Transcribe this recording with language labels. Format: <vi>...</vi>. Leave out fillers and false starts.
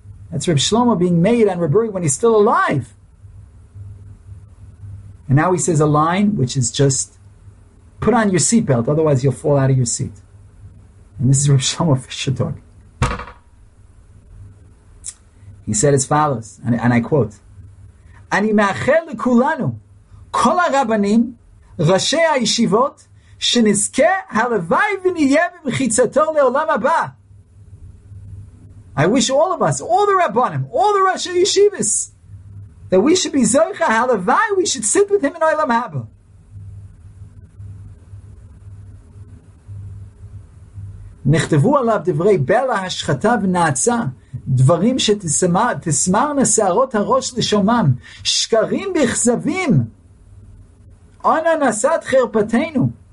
<en>That's Reb Shlomo being made on Reb Uri when he's still alive. And now he says a line which is just, put on your seatbelt, otherwise you'll fall out of your seat. And this is Reb Shlomo Fisher talking. He said as follows, and I quote,</en> <he>אני מאחל לכולנו, כל הרבנים, ראשי הישיבות, שנזכה הלוואי ונהיה במחיצתו לעולם הבא.</he> <en>I wish all of us, all the rabbanim, all the Rosh Yeshivas, that we should be zoicha, הלוואי, we should sit with him in olam haba.</en> <he>נכתבו עליו דברי בלע השחתה ונעצה, דברים שתסמרנה שערות הראש לשומם, שקרים בכזבים, אנה נשאת חרפתנו.</he>